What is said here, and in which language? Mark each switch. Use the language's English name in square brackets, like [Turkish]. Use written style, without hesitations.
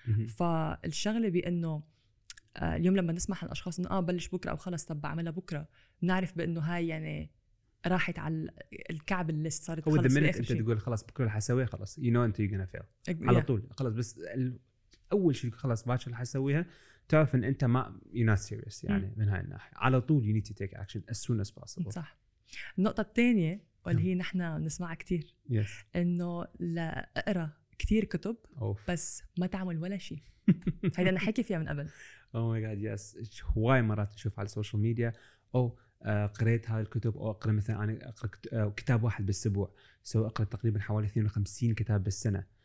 [Arabic] فالشغلة بأنه اليوم لما نسمح للأشخاص إنه بلش بكرة أو خلص طب بعملها بكرة، نعرف بأنه هاي يعني راحت على الكعب اللي صارت خلص. هو أنت تقول خلاص بكرة حسويها، خلاص [English] you know [Arabic] أنت [English] you're gonna fail [Arabic] على طول. خلاص بس أول شيء خلاص باشر حسويها، تعرف ان انت ما [English] you're not serious [Arabic] يعني من هاي الناحيه. على طول [English] you need to take action as soon as possible. [Arabic] صح. النقطه الثانيه واللي هي نحن بنسمعها كثير انه لا اقرا كثير كتب بس ما تعمل ولا شيء. هيدا انا حكي فيها من قبل. [English] Oh my god yes. [Arabic] هواي مرات اشوف على السوشيال ميديا او قريت هاي الكتب او اقرا مثلا انا اقرا كتاب واحد بالاسبوع سو اقرا تقريبا حوالي 52 كتاب بالسنه.